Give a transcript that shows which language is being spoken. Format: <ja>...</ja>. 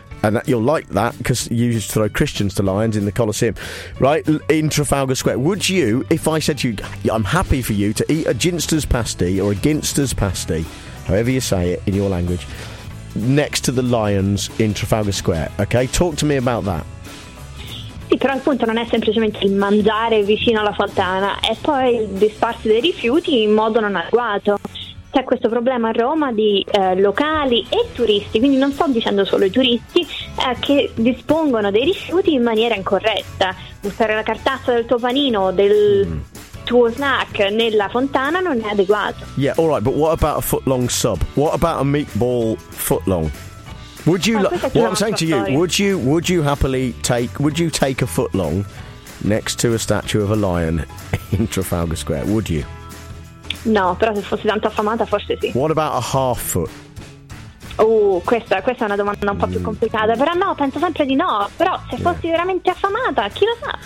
<en>And that, you'll like that, because you used to throw Christians to lions in the Colosseum, right, in Trafalgar Square. Would you, if I said to you, I'm happy for you to eat a Ginster's pasty, or a Ginster's pasty, however you say it in your language, next to the lions in Trafalgar Square, okay? Talk to me about that.</en> <it>Sì, però il punto non è semplicemente il mangiare vicino alla fontana, è poi il disparsi dei rifiuti in modo non adeguato. C'è questo problema a Roma di locali e turisti, quindi non sto dicendo solo i turisti, che dispongono dei rifiuti in maniera incorretta. Buttare la cartaccia del tuo panino o del tuo snack nella fontana non è adeguato.</it> <en>Yeah, all right, but what about a footlong sub? What about a meatball footlong? Would you what I'm saying to you, would you take a footlong next to a statue of a lion in Trafalgar Square? Would you?</en> <it>No, però se fossi tanto affamata forse sì.</it> <en>What about a half foot?</en> <it>Oh, questa è una domanda un po' più complicata. Però no, penso sempre di no. Però se fossi veramente affamata, chi lo sa?</it>